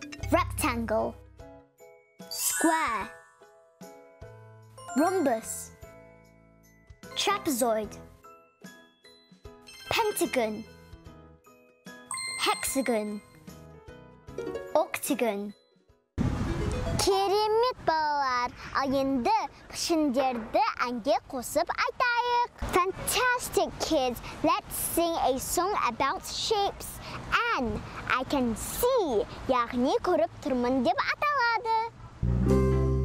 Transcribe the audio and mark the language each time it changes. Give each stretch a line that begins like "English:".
English: Rectangle, square, rhombus, trapezoid, pentagon, hexagon, octagon.
Kazakh: Керемет, балалар! Ал енді пішіндерді әнге қосып айтайық.
English: Fantastic, kids! Let's sing a song about shapes. An, I can see,
Kazakh: яғни көріп тұрмын деп аталады.